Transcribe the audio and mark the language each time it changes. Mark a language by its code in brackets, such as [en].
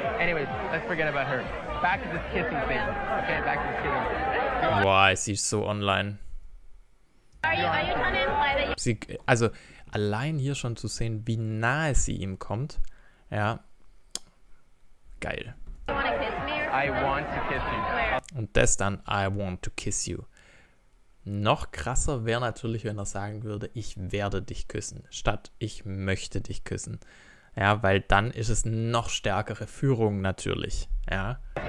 [en] Anyways, let's forget about her. Back to this kissing thing. Okay, back to this kissing [de] thing. Boah, sie ist so online. [en] Are you trying to imply that you... [de] Sie, also, allein hier schon zu sehen, wie nahe sie ihm kommt, ja, geil. [en] You wanna kiss me? I want to kiss you. [de] Und das dann, [en] I want to kiss you. [de] Noch krasser wäre natürlich, wenn er sagen würde, ich werde dich küssen, statt ich möchte dich küssen. Ja, weil dann ist es noch stärkere Führung natürlich. Ja.